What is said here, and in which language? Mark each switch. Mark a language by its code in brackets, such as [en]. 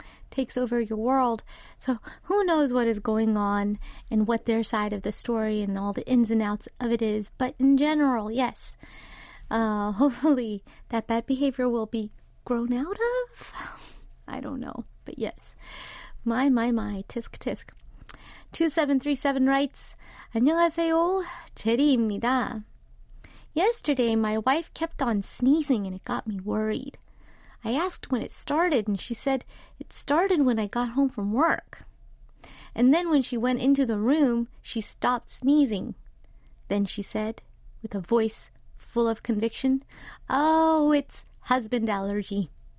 [en] Takes over your world. So who knows what is going on and what their side of the story and all the ins and outs of it is. But in general, yes, hopefully that bad behavior will be grown out of. I don't know, but yes. My, my, my, tisk, tisk. 2737 writes, [ko] 안녕하세요, 제리입니다. [en] Yesterday, my wife kept on sneezing and it got me worried. I asked when it started and she said it started when I got home from work. And then when she went into the room, she stopped sneezing. Then she said, with a voice full of conviction, "Oh, it's husband allergy."